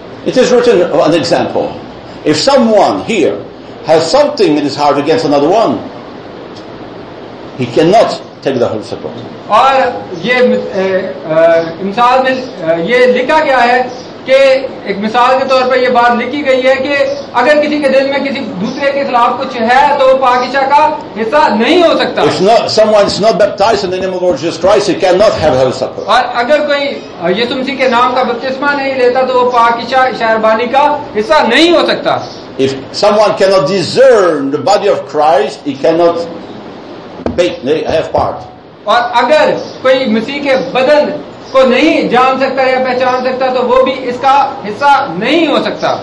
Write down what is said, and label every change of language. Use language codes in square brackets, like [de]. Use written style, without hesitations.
[en] It is written an example. If someone here has something in his heart against another one, he cannot take the Holy Supper. [hi] और ये मिसाल में ये लिखा गया है कि एक मिसाल के तौर पर ये बात लिखी गई है कि अगर किसी के दिल में किसी दूसरे के खिलाफ कुछ है तो वो पाकिजा का हिस्सा नहीं हो सकता [en] If not, someone is not baptized in the name of Lord Jesus Christ, he cannot have Holy Supper. [hi] और अगर कोई यीशु मसीह के नाम का बपतिस्मा नहीं लेता तो वो पाकिजा शहरबानी का हिस्सा नहीं हो सकता [en] If someone cannot discern the body of Christ, he cannot have part. [hi] और अगर कोई मसीह के बदन को नहीं जान सकता या पहचान सकता तो वो भी इसका हिस्सा नहीं हो सकता